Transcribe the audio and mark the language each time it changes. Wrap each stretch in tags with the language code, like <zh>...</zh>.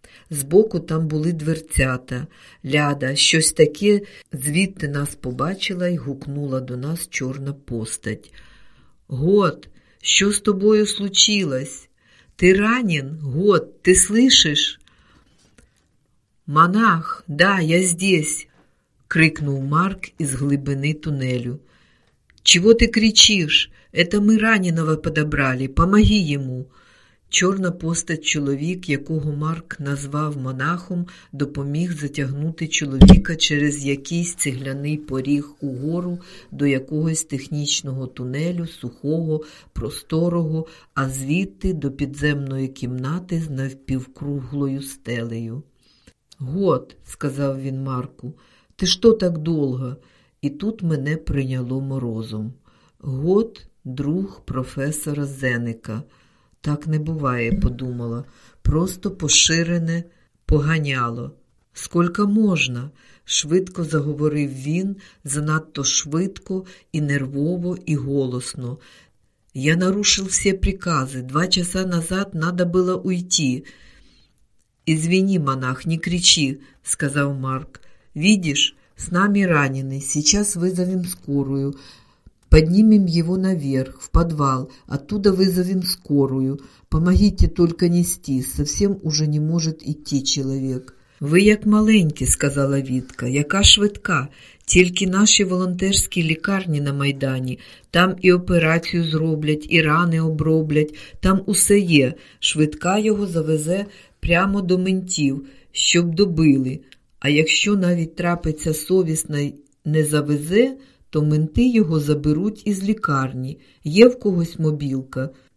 <uk>Збоку там були дверцята, ляда, щось таке, звідти нас побачила й гукнула до нас чорна постать. «Год, що з тобою случилось? Ти ранен?</uk> <ru>Год, ти слышиш?» «Монах, да, я здесь!»</ru> <uk>– крикнув Марк із глибини тунелю. «Чого ти кричиш?</uk> <ru>Это ми раненого подобрали, помоги йому!»</ru> <uk>Чорна постать чоловік, якого Марк назвав монахом, допоміг затягнути чоловіка через якийсь цегляний поріг угору до якогось технічного тунелю, сухого, просторого, а звідти до підземної кімнати з навпівкруглою стелею. «Год», – сказав він Марку, – «ти що так довго?» І тут мене прийняло морозом. «Год, друг професора Зеника». «Так не буває», – подумала. «Просто поширене поганяло». «Скільки можна?» – швидко заговорив він, занадто швидко і нервово, і голосно. «Я нарушив всі прикази. 2 часа назад треба було уйти.</uk> <ru>«Извини, монах, не кричи», – сказал Марк. «Видишь, с нами раненый, сейчас вызовем скорую. Поднимем его наверх, в подвал, оттуда вызовем скорую. Помогите только нести, совсем уже не может идти человек».</ru> <uk>«Ви як маленькі», – сказала Вітка, – «яка швидка, тільки наші волонтерські лікарні на Майдані, там і операцію зроблять, і рани оброблять, там усе є, швидка його завезе прямо до ментів, щоб добили, а якщо навіть трапиться совісно не завезе, то менти його заберуть із лікарні, є в когось мобілка».</uk>